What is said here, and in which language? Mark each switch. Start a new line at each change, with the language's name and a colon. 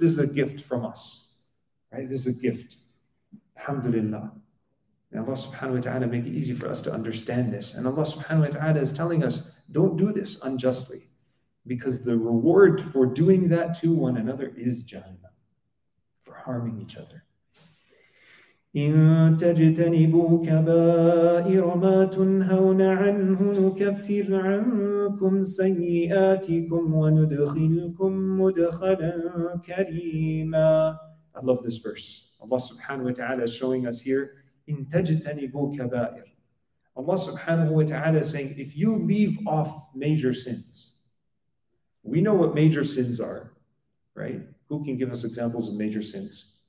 English: This is a gift from us, right? This is a gift. Alhamdulillah. May Allah subhanahu wa ta'ala make it easy for us to understand this. And Allah subhanahu wa ta'ala is telling us, don't do this unjustly, because the reward for doing that to one another is Jahannam, for harming each other.
Arabic: إن تجتنبوا كبائر ما تنهون عنه نكفر عنكم سيئاتكم وندخلكم مدخلا كريما.
English: I love this verse. Allah subhanahu wa ta'ala is showing us here,
Arabic: إن تجتنبوا كبائر.
English: Allah subhanahu wa ta'ala is saying, if you leave off major sins, we know what major sins are, right? Who can give us examples of major sins?